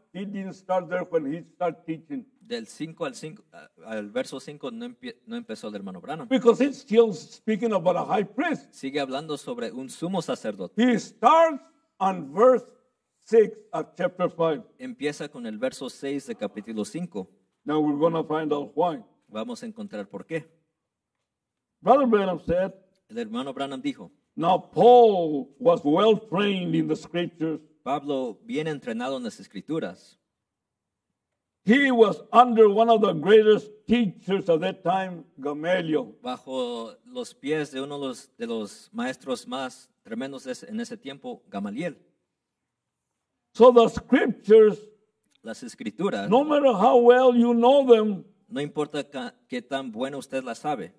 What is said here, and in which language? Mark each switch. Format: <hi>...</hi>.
<en>He didn't start there when he started teaching.</en> <es>Del 5 al 5, al verso 5 no empezó el hermano Branham.</es> <en>Because he's still speaking about a high priest.</en> <es>Sigue hablando sobre un sumo sacerdote.</es> <en>He starts on verse 6 of chapter 5.</en> <es>Empieza con el verso 6 de capítulo 5.</es> <en>Now we're going to find out why.</en> <es>Vamos a encontrar por qué.</es> <en>Brother Branham said.</en> <es>El hermano Branham dijo.</es> <en>Now Paul was well trained in the scriptures.</en> <es>Pablo bien entrenado en las escrituras.</es> <en>He was under one of the greatest teachers of that time, Gamaliel.</en> <es>Bajo los pies de uno de los maestros más tremendos en ese tiempo, Gamaliel.</es> <en>So the scriptures,</en> <es>las escrituras,</es> <en>no matter how well you know them,</en> <es>no importa qué tan bueno usted las sabe,</es>